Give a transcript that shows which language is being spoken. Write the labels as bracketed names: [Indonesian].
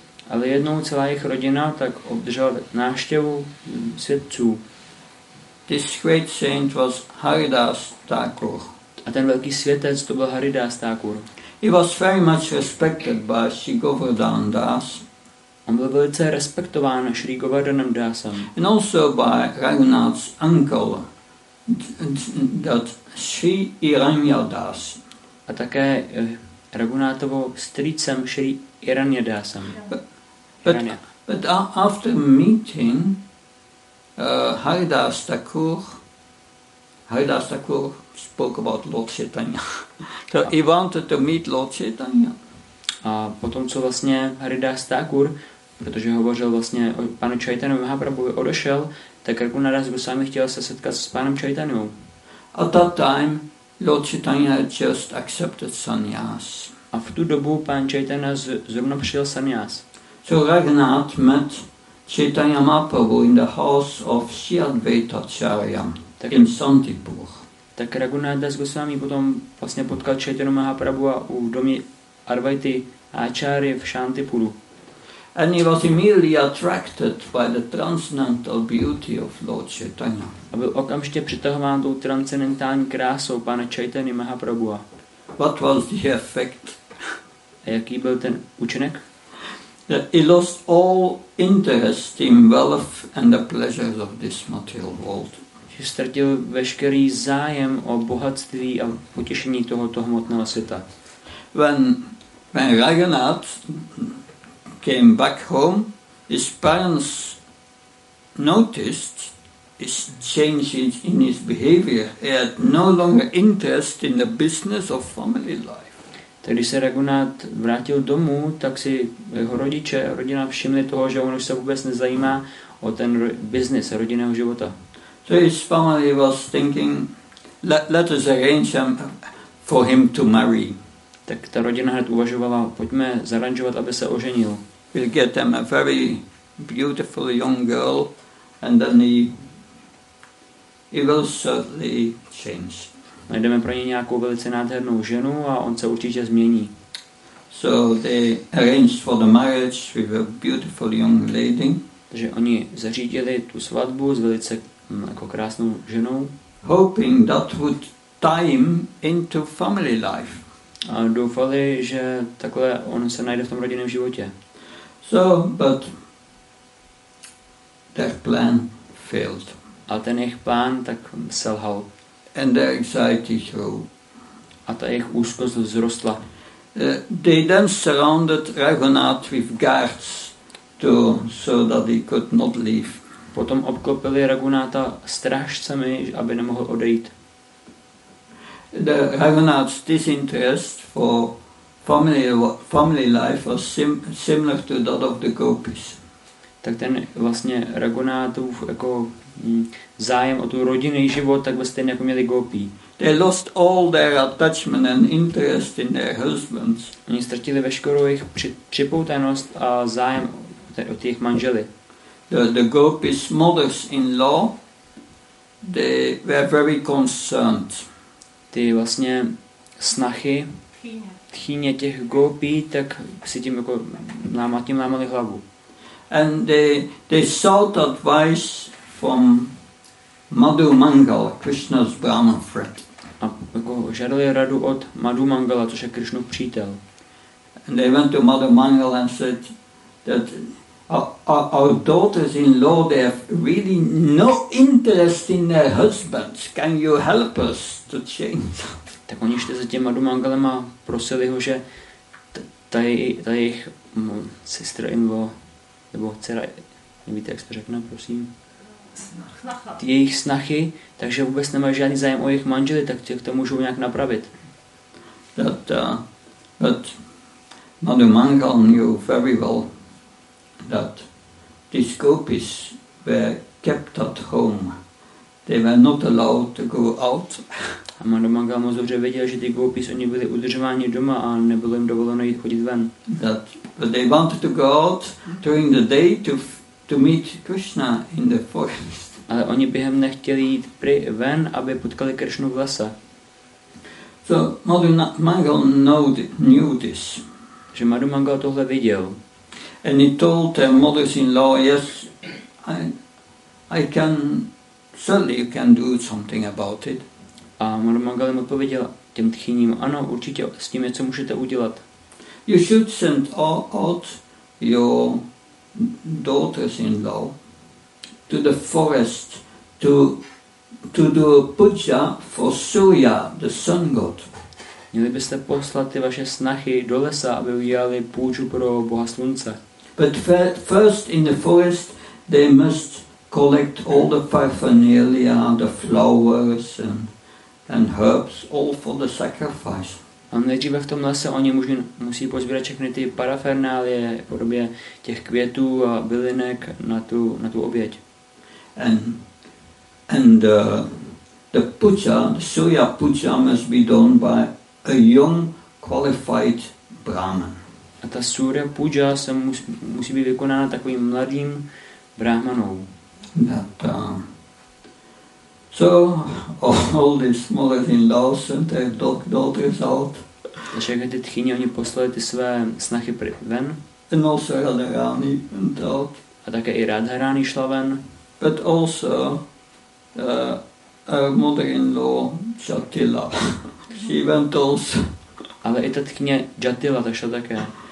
[Czech] Ale jednou celá jejich rodina tak obdržela návštěvu světců. [English] This great saint was Haridas Thakur. [Czech] A ten velký světec to byl Haridas Thakur. [English] He was very much respected by Sri Govardhan Das. [Czech] On byl velice respektován Sri Govardhanem Dasem. [English] And also by Raghunath's uncle, that Sri Hiranya Das. [Czech] A také Raghunathovo strýcem Sri Hiranya Dasem. [English] But after meeting Haridas Thakur spoke about Lord Chaitanya. So he wanted to meet Lord Chaitanya. [Czech] A potom co vlastně Haridas Thakur, protože hovořil vlastně o panu Chaitanyu Mahaprabhu, odešel, tak Raghunath Das Goswami chtěl se setkat s panem Chaitanyou. [English] At that time Lord Chaitanya had just accepted sannyas. [Czech] A v tu dobu pan Chaitanya zrovna přijel sannyas. [English] So Raghunath met Chaitanya Mahaprabhu in the house of Sri Advaita Acharya in Santipur. [Czech] Tak Raghunath Das Goswami potom vlastně potkal Chaitanya Mahaprabhu u domě Advaity Acharya v Santipuru. [English] And he was immediately attracted by the transcendental beauty of Lord Chaitanya. [Czech] A byl okamžitě přitahován tou transcendentální krásou pana Chaitanya Mahaprabhu. [English] What was the effect? [Czech] A jaký byl ten účinek? [English] He lost all interest in wealth and the pleasures of this material world. [Czech] Že ztratil veškerý zájem o bohatství a potěšení tohoto hmotného světa. [English] When Raghunath came back home, his parents noticed his changes in his behavior. He had no longer interest in the business of family life. [Czech] Tak když se Raghunath vrátil domů, tak si jeho rodiče a rodina všimli toho, že on už se vůbec nezajímá o ten biznis rodinného života. [English] So his family was thinking, let us arrange for him to marry. [Czech] Tak ta rodina hned uvažovala, pojďme zaranžovat, aby se oženil. [English] We'll get him a very beautiful young girl and then he will certainly change. [Czech] Najdeme pro ně nějakou velice nádhernou ženu a on se určitě změní. [English] So they arranged for the marriage with a beautiful young lady. [Czech] Takže oni zařídili tu svatbu s velice jako krásnou ženou. [English] Hoping that would tie him into family life. [Czech] A doufali, že takhle on se najde v tom rodinném životě. [English] So, but their plan failed. [Czech] A ten jejich plán tak selhal. [English] And their anxiety grew. [Czech] A ta jejich úzkost vzrostla. [English] They then surrounded Raghunath with guards so that he could not leave. [Czech] Potom obklopili Raghunatha strážcemi, aby nemohl odejít. [English] the Raghunath's disinterest for family life was similar to that of the gopis. [Czech] Tak ten vlastně Raghunathův jako zájem o tu rodinný život, tak vlastně stejně jako měli gopí. [English] They lost all their attachment and interest in their husbands. [Czech] Oni ztratili veškerou jejich připoutanost a zájem o těch manžely. [English] The gopis mothers-in-law, they were very concerned. [Czech] Ty vlastně snachy, tchýně těch gopí, tak si tím jako námatím lámali hlavu. [English] And they sought advice from Madhu Mangala, Krishna's Brahman friend. [Czech] A jako žádali radu od Madhu Mangala, což je Krishnův přítel. [English] And they went to Madhu Mangala and said that our daughters-in-law, they have really no interest in their husbands. Can you help us to change? [Czech] Tak oni šli za tím Madhu Mangalem a prosili ho, že ta jejich [English] sister-in-law, [Czech] nebo dcera, nevíte, jak se řekne, prosím? Snacha. Jejich snachy, takže vůbec nemají žádný zájem o jejich manželi, tak těch to můžou nějak napravit. [English] But Madhu Mangal knew very well that these gopis were kept at home. They were not allowed to go out. [Czech] A Madhu Mangal moc dobře věděl, že ty gopis, oni byli udržováni doma a nebylo jim dovoleno jít chodit ven. [English] But they wanted to go out during the day to meet Krishna in the forest. [Czech] Ale oni během nechtěli jít ven, aby potkali Krishnu v lese. [English] So Madhu Mangal knew this. [Czech] Že Madhu Mangal tohle viděl. [English] And he told the mothers-in-law, yes, I can, certainly you can do something about it. [Czech] A Madhu Mangal jim odpověděl těm tchýním, ano, určitě s tím něco můžete udělat. [English] You should send out your daughters-in-law to the forest to do puja for Surya, the sun god. [Czech] Měli byste poslat ty vaše snachy do lesa, aby udělali půču pro Boha slunce. [English] But first in the forest they must collect all the paraphernalia, the flowers and herbs, all for the sacrifice. [Czech] A nejdříve v tom lese oni musí pozbírat všechny ty parafernálie v podobě těch květů a bylinek na tu oběť. [English] And the puja, the Surya puja must be done by a young qualified brahman. [Czech] A ta Surya puja se musí být vykonána takovým mladým brahmanou. [English] So all these mothers-in-law sent their daughters out. [Czech] Takže když ty tchýně, oni poslali ty své snachy ven. [English] And also Radharani went out. [Czech] A také i Radharani šla ven. [English] But also her mother-in-law Jatila. She went also. [Czech] Ale i ta tchýně Jatila, ta šla také.